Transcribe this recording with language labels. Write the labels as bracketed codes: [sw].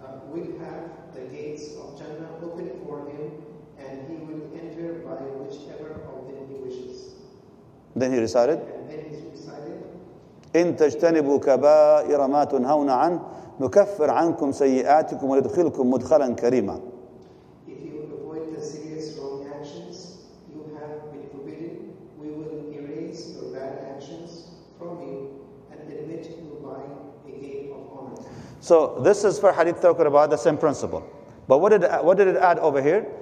[en] Will have the gates of Jannah open for him, and he will enter by whichever of them he wishes. Then he recited. And then he recited. [ar] إن تجتنبوا كبائر ما تنهون عن نكفر عنكم سيئاتكم وندخلكم مدخلا كريما. [en] If you avoid the serious wrong actions you have been forbidden, we will erase your bad actions from you and admit you by a gate of honor. So this is for hadith talking about the same principle. But what did it add over here?